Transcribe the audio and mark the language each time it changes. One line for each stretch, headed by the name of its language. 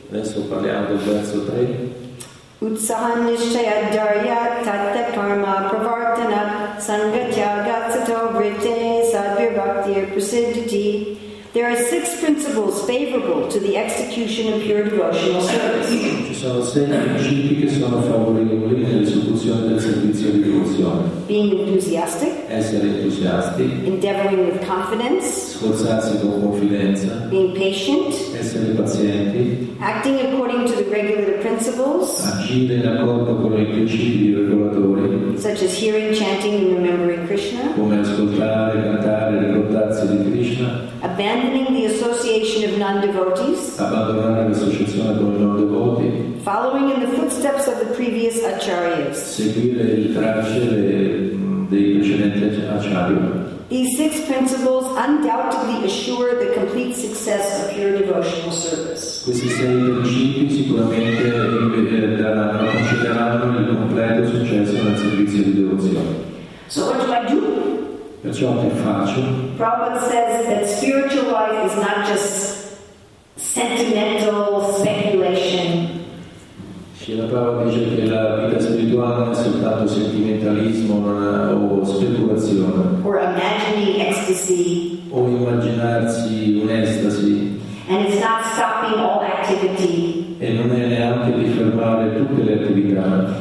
Italian: Adesso parliamo del verso 3.
Sanskrit: Utsahan nishaya darya tatta parma pravartana sangatya gatsato vritte sadvir bhaktir prasiddhiti.
English: There are 6 principles favorable to the execution of pure devotional service.
Italian: Ci sono 6 principi che sono favorevoli nell'esecuzione del servizio di devozione.
English: Being enthusiastic.
Italian: Essere entusiasti.
English: Endeavoring with confidence.
Italian: Sforzarsi con confidenza.
English: Being patient.
Italian: Essere pazienti.
English: Acting according to the regulative principles.
Italian: Agire in accordo con i principi regolatori.
English: Such as hearing, chanting, and remembering Krishna.
Italian: Come ascoltare, cantare, ricordarsi di Krishna.
English: Abandoning the association of non-devotees.
Italian: Abbandonare l'associazione con i non-devoti.
English: Following in the footsteps of the previous acharyas.
Italian: Seguire le tracce dei precedenti acharya.
English: These 6 principles undoubtedly assure the complete success of pure devotional service.
Italian: Questi 6 principi sicuramente concederanno il completo successo nel servizio di devozione.
English: So what do I do?
Italian: Perciò che faccio?
English: Prabhupada says that spiritual life is not just sentimental speculation.
Italian: Srila Prabhupada dice che la vita spirituale non è soltanto sentimentalismo o speculazione.
English: Or imagining ecstasy.
Italian: O immaginarsi un'estasi.
English: And it's not stopping all activity.
Italian: E non è neanche di fermare tutte le attività.